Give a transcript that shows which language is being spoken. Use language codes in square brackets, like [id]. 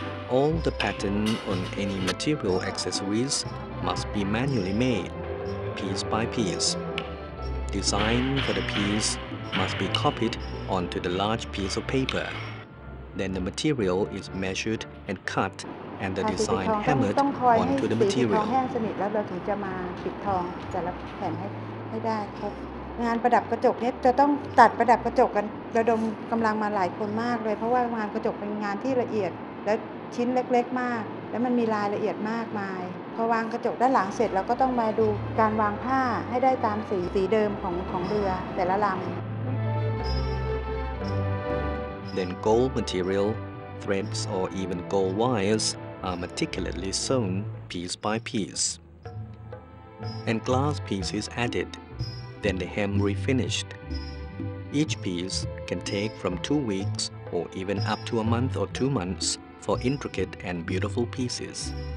[en] All the pattern on any material accessories must be manually made, piece by piece. Design for the piece must be copied onto the large piece of paper. Then the material is measured and cut and the design hammered onto the material. [th] ให้สนิทแล้วเราถึงจะมาปิดทองแต่ละแผ่นให้ได้ครบ งานประดับกระจกเนี่ยจะต้องตัดประดับกระจกกันระดมกำลังมาหลายคนมากเลยเพราะว่างานกระจกเป็นงานที่ละเอียดและชิ้นเล็กๆมากแล้วมันมีรายละเอียดมากมายพอวางกระจกด้านหลังเสร็จเราก็ต้องมาดูการวางผ้าให้ได้ตามสีเดิมของเรือแต่ละลำ [en] Then gold material, threads or even gold wires are meticulously sewn piece by piece and glass pieces added, then the hem refinished. Each piece can take from 2 weeks or even up to a month or 2 months for intricate and beautiful pieces.